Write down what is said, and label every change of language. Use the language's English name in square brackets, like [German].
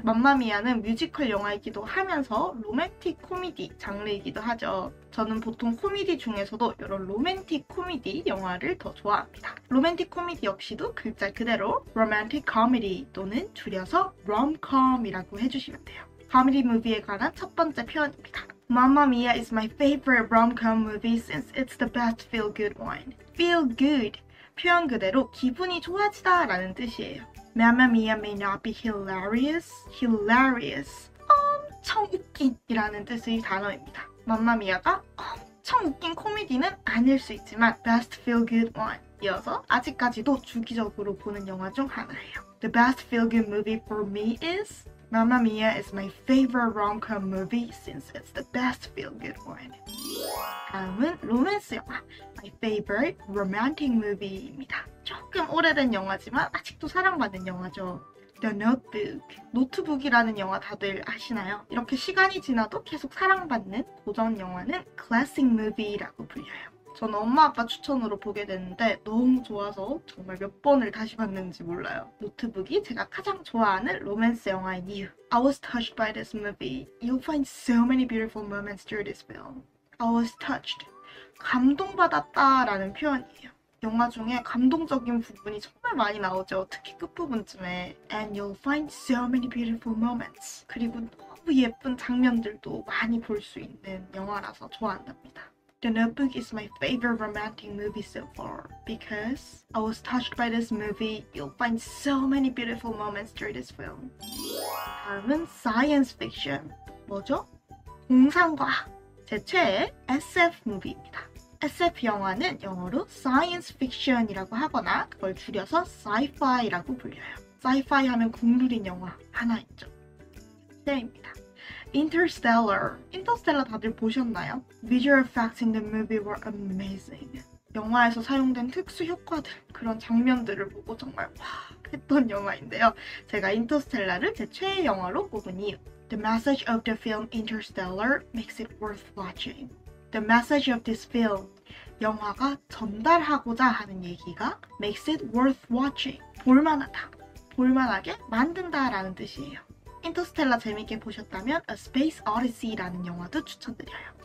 [Korean] Mamma Mia는 뮤지컬 영화이기도 하면서 로맨틱 코미디 장르이기도 하죠. 저는 보통 코미디 중에서도 이런 로맨틱 코미디 영화를 더 좋아합니다. 로맨틱 코미디 역시도 글자 그대로 로맨틱 코미디 또는 줄여서 롬컴이라고 해주시면 돼요. 코미디 무비에 관한 첫 번째 표현입니다. [English] Mamma Mia is my favorite rom-com movie since it's the best feel-good one. Feel good. [Korean] 표현 그대로 기분이 좋아지다 라는 뜻이에요. [English] Mamma Mia may not be hilarious. Hilarious. [Korean] 엄청 웃긴 이라는 뜻의 단어입니다. Mamma Mia가 엄청 웃긴 코미디는 아닐 수 있지만 Best Feel Good One 이어서 아직까지도 주기적으로 보는 영화 중 하나예요. [English] The best feel good movie for me is Mamma Mia is my favorite rom-com movie since it's the best feel good one. [Korean] 다음은 로맨스 영화, My Favorite Romantic Movie 입니다. 조금 오래된 영화지만 아직도 사랑받는 영화죠. [English] The Notebook. [Korean] 노트북이라는 영화 다들 아시나요? 이렇게 시간이 지나도 계속 사랑받는 고전 영화는 Classic Movie라고 불려요. 저는 엄마 아빠 추천으로 보게 됐는데 너무 좋아서 정말 몇 번을 다시 봤는지 몰라요. 노트북이 제가 가장 좋아하는 로맨스 영화인 이유. [English] I was touched by this movie. You'll find so many beautiful moments through this film. I was touched. [Korean] 감동받았다라는 표현이에요. 영화 중에 감동적인 부분이 정말 많이 나오죠. [English] 특히 끝부분쯤에. And you'll find so many beautiful moments. [Korean] 그리고 너무 예쁜 장면들도 많이 볼수 있는 영화라서 좋아한답니다. [English] The Notebook is my favorite romantic movie so far. Because I was touched by this movie, you'll find so many beautiful moments through this film. [Korean] 다음은 science fiction. 뭐죠? 공상과학. 제 최애 SF 무비입니다. SF 영화는 영어로 science fiction이라고 하거나 그걸 줄여서 sci-fi라고 불려요. sci-fi 하면 국룰인 영화 하나 있죠. 네입니다. [English] Interstellar. Interstellar 다들 보셨나요? Visual effects in the movie were amazing. [Korean] 영화에서 사용된 특수 효과들, 그런 장면들을 보고 정말 와 했던 영화인데요. 제가 인터스텔라를 제 최애 영화로 꼽은 이유. [English] The message of the film Interstellar makes it worth watching. The message of this film, 영화가 전달하고자 하는 얘기가 makes it worth watching, 볼만하다, 볼만하게 만든다라는 뜻이에요. [Korean] 인터스텔라 재밌게 보셨다면 A Space Odyssey라는 영화도 추천드려요.